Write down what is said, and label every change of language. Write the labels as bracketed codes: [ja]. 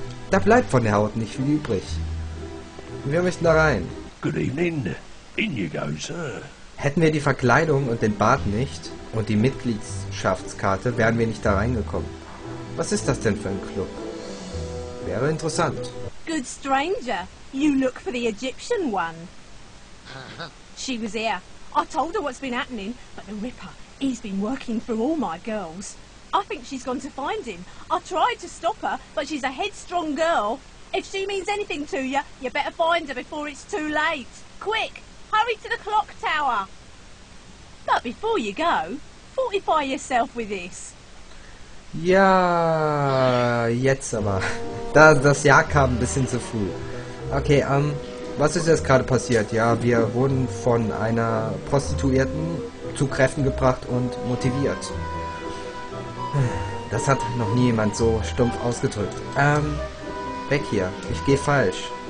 [de] Da bleibt von der Haut nicht viel übrig. Wir möchten da rein. [en] Good evening. In you go, sir. [de] Hätten wir die Verkleidung und den Bart nicht und die Mitgliedschaftskarte, wären wir nicht da reingekommen. Was ist das denn für ein Club? Wäre interessant. [en] Good stranger. You look for the Egyptian one. She was here. I told her what's been happening, but the Ripper, he's been working for all my girls. I think she's gone to find him. I tried to stop her, but she's a headstrong girl. If she means anything to you, you better find her before it's too late. Quick, hurry to the clock tower. But before you go, fortify yourself with this. [de] Ja, jetzt aber. Das Jahr kam ein bisschen zu früh. Okay, was ist jetzt gerade passiert? Ja, wir wurden von einer Prostituierten zu Kräften gebracht und motiviert. Das hat noch nie jemand so stumpf ausgedrückt. Weg hier. Ich gehe falsch.